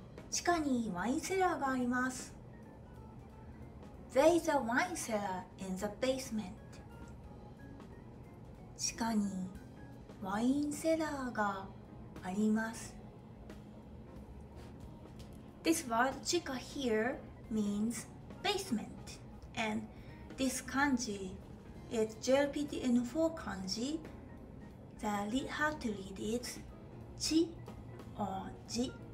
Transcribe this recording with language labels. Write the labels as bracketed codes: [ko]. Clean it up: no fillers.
[ja] 地下にワインセラーがあります。 [en] There is a wine cellar in the basement. [ja] 地下にワインセラーがあります。 [en] This word chika here means basement and this kanji is JLPT N4 kanji. How to read it? Chi or ji.